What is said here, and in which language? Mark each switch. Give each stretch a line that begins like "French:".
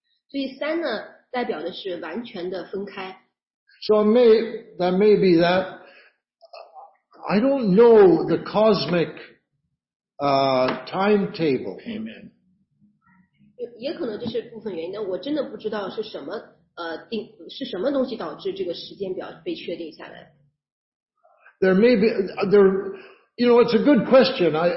Chinese: 所以3呢代表的是完全的分开。
English: So that may be that I don't know the cosmic timetable. Amen.
Chinese: 也可能这是部分原因，但我真的不知道是什么定是什么东西导致这个时间表被确定下来。
English: There may be you know, it's a good question.